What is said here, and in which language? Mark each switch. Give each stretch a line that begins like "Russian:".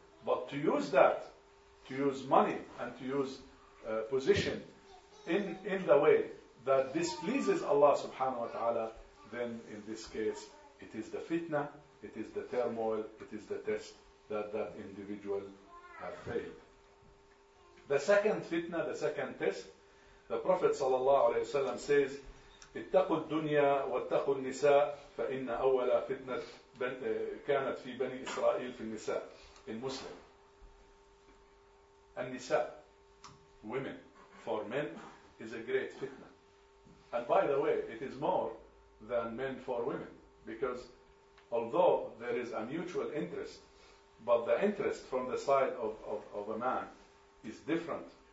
English: But to use that, to use money and to use position in the way that displeases Allah subhanahu wa ta'ala, then in this case, it is the fitna, it is the turmoil, it is the test that that individual has failed. The second fitna, the second test, the Prophet sallallahu alayhi wa sallam says,
Arabic: اتقوا الدنيا واتقوا النساء فإن أول فتنة كانت في بني إسرائيل في النساء المسلم.
English: النساء, women, for men is a great fitna. And by the way, it is more than men for women, because although there is a mutual interest, but the interest from the side of a man is different.